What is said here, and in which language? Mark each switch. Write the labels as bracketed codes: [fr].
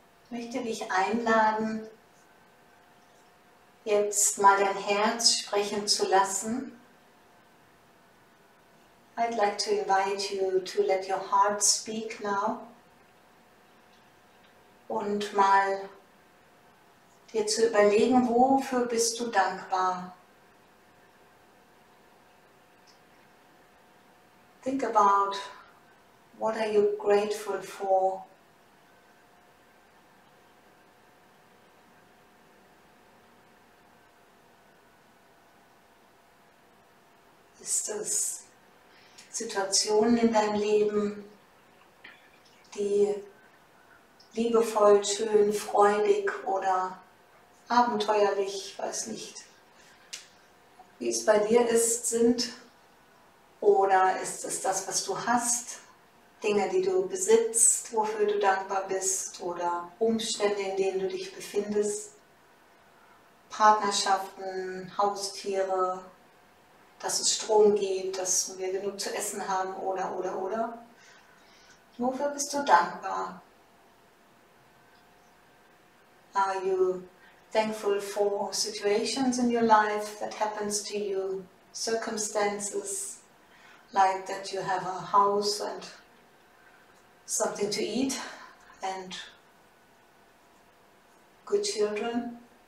[de] Ich möchte dich einladen, jetzt mal dein Herz sprechen zu lassen. [en] I'd like to invite you to let your heart speak now. [de] Und mal dir zu überlegen, wofür bist du dankbar? [en] Think about, what are you grateful for? [de] Ist es Situationen in deinem Leben, die liebevoll, schön, freudig oder abenteuerlich, weiß nicht, wie es bei dir ist, sind? Oder ist es das, was du hast, Dinge, die du besitzt, wofür du dankbar bist, oder Umstände, in denen du dich befindest, Partnerschaften, Haustiere, dass es Strom gibt, dass wir genug zu essen haben, oder. Wofür bist du dankbar? [en] Are you thankful for situations in your life that happens to you, circumstances like that you have a house and something to eat and good children?